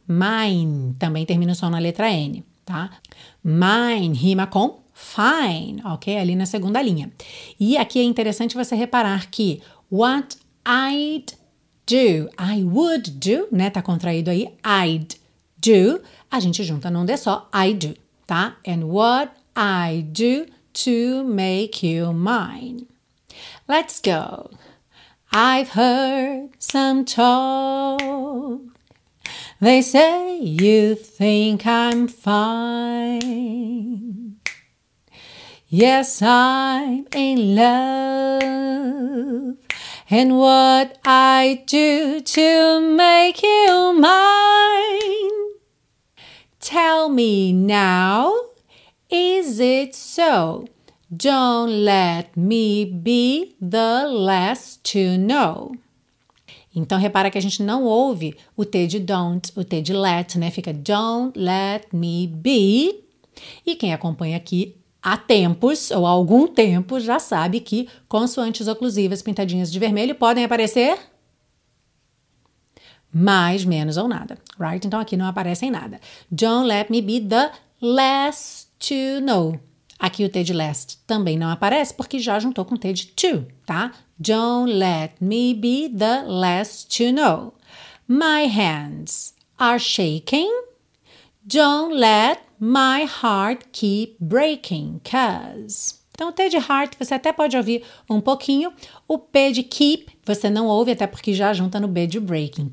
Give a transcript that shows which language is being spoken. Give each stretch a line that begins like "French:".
Portuguese: Mine também termina só na letra N, tá? Mine rima com fine, ok? Ali na segunda linha. E aqui é interessante você reparar que
English: what I'd do, I would do,
Portuguese: né? Tá contraído aí,
English: I'd do,
Portuguese: a gente junta num D só,
English: I do,
Portuguese: tá?
English: And what I do to make you mine. Let's go. I've heard some talk. They say you think I'm fine. Yes, I'm in love. And what I do to make you mine? Tell me now, is it so? Don't let me be the last to know.
Portuguese: Então, repara que a gente não ouve o T de don't, o T de let, né? Fica
English: don't let me be.
Portuguese: E quem acompanha aqui há tempos, ou há algum tempo, já sabe que consoantes oclusivas pintadinhas de vermelho podem aparecer mais, menos ou nada,
English: right?
Portuguese: Então, aqui não aparecem nada.
English: Don't let me be the last to know.
Portuguese: Aqui o T de last também não aparece porque já juntou com o T de to, tá?
English: Don't let me be the last to know. My hands are shaking. Don't let my heart keep breaking, cause.
Portuguese: Então o T de heart você até pode ouvir um pouquinho. O P de keep você não ouve até porque já junta no B de breaking.